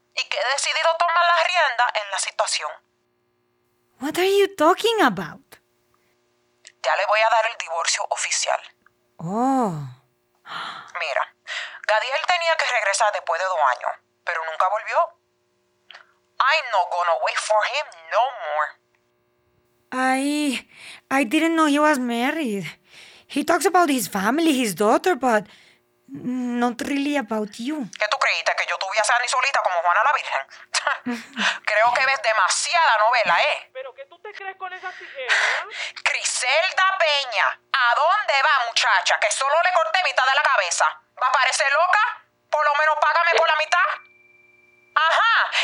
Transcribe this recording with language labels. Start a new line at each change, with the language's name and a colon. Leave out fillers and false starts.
Spanish: Y que he decidido tomar la rienda en la situación.
English: What are you talking about?
Spanish: Ya le voy a dar el divorcio oficial.
English: Oh.
Spanish: Mira, Gadiel tenía que regresar después de 2 años, pero nunca volvió.
English: I'm not gonna wait for him no more. I didn't know he was married. He talks about his family, his daughter, but not really about you.
Spanish: ¿Qué tú creíste? ¿Que yo tuviera a Sandy solita como Juana la Virgen? Creo que ves demasiada novela, ¿eh? ¿Pero qué tú te crees con esa tijera? Griselda Peña, ¿a dónde va, muchacha? Que solo le corté mitad de la cabeza. ¿Va a parecer loca? Por lo menos págame por la mitad. ¡Ajá!